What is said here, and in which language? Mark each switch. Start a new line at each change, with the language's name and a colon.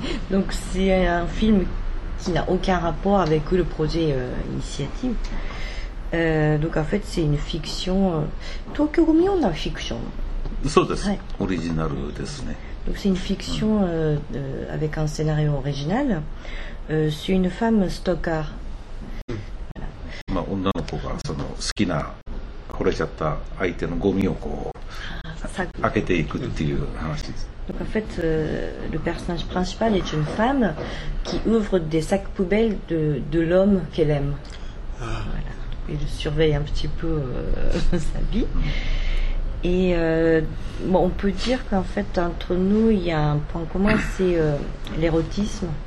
French: Donc c'est un film qui n'a aucun rapport avec le projet Initiative. Donc en fait, c'est une fiction. Tokyo Gomi Onna, fiction. Ouais. Original. Donc c'est une fiction avec un scénario original. C'est une femme stalker.
Japanese: まあ、女の子がその好きな惚れちゃった相手のゴミをこう開けていくっていう話です。
French: Donc en fait, le personnage principal est une femme qui ouvre des sacs poubelles de l'homme qu'elle aime. Voilà. Il surveille un petit peu sa vie. Et bon, on peut dire qu'en fait, entre nous, il y a un point commun, c'est l'érotisme.